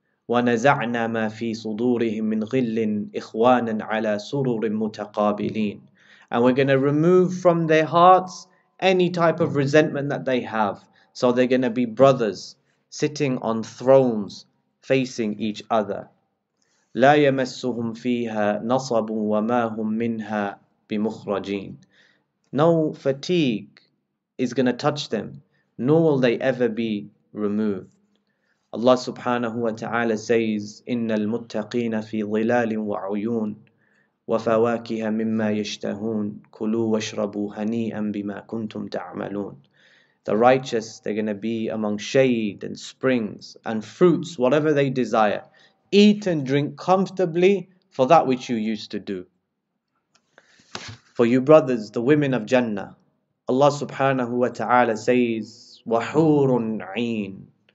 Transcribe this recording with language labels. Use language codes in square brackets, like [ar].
[ar] وَنَزَعْنَا مَا فِي صُدُورِهِمْ مِنْ غِلٍّ إِخْوَانًا عَلَى سُرُرٍ مُتَقَابِلِينَ. [en] And we're going to remove from their hearts any type of resentment that they have. So they're going to be brothers sitting on thrones facing each other. [ar] لا يمسهم فيها نصب وما هم منها بمخرجين. [en] No fatigue is going to touch them, nor will they ever be removed. Allah subhanahu wa ta'ala says, [ar] إن المتقين في ظلال وعيون وفواكه مما يشتهون كلوا واشربوا هنيئا بما كنتم تعملون. [en] The righteous, they're going to be among shade and springs and fruits, whatever they desire. Eat and drink comfortably for that which you used to do. For you brothers, the women of Jannah, Allah subhanahu wa ta'ala says, [ar] وَحُورٌ عِينٌ.